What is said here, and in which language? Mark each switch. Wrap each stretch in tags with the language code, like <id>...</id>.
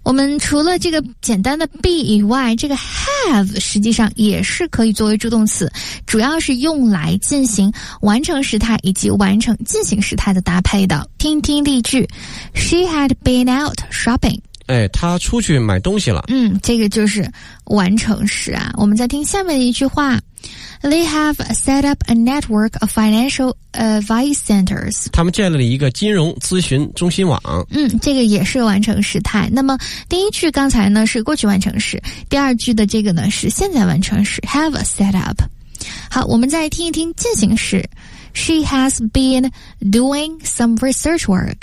<zh>我们除了这个简单的 be 以外，这个 have 实际上也是可以作为助动词，主要是用来进行完成时态以及完成进行时态的搭配的。听听例句。</zh> <en>She had been out shopping。</en> <zh>哎，他出去买东西了。嗯，这个就是完成时啊。我们再听下面一句话。</zh> <en>They have set up a network of financial advice centers.</en> <zh>他们建立了一个金融咨询中心网。嗯，这个也是完成时态。那么第一句刚才呢是过去完成时，第二句的这个呢是现在完成时 ，have set up。好，我们再听一听进行时。</zh> <en>She has been doing some research work.</en>